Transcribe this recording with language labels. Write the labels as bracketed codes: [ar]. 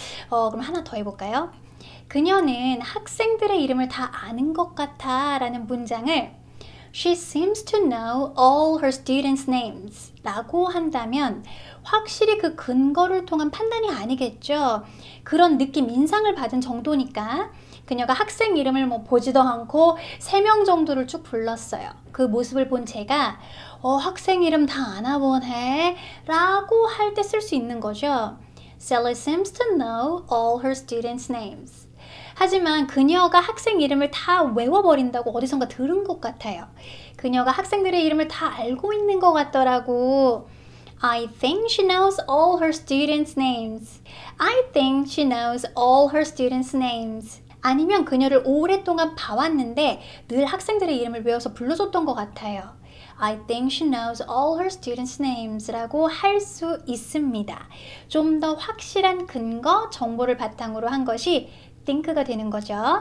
[ko] 그럼 하나 더 해볼까요? 그녀는 학생들의 이름을 다 아는 것 같아 라는 문장을 [en] She seems to know all her students' names [ko] 라고 한다면 확실히 그 근거를 통한 판단이 아니겠죠. 그런 느낌, 인상을 받은 정도니까 그녀가 학생 이름을 뭐 보지도 않고 3명 정도를 쭉 불렀어요. 그 모습을 본 제가 학생 이름 다 알아보네 라고 할 때 쓸 수 있는 거죠. [en] Sally seems to know all her students' names. [ko] 하지만 그녀가 학생 이름을 다 외워버린다고 어디선가 들은 것 같아요. 그녀가 학생들의 이름을 다 알고 있는 것 같더라고. [en] I think she knows all her students' names. I think she knows all her students' names. [ko] 아니면 그녀를 오랫동안 봐왔는데 늘 학생들의 이름을 외워서 불러줬던 것 같아요. [en] I think she knows all her students' names [ko] 라고 할 수 있습니다. 좀 더 확실한 근거, 정보를 바탕으로 한 것이 think가 되는 거죠.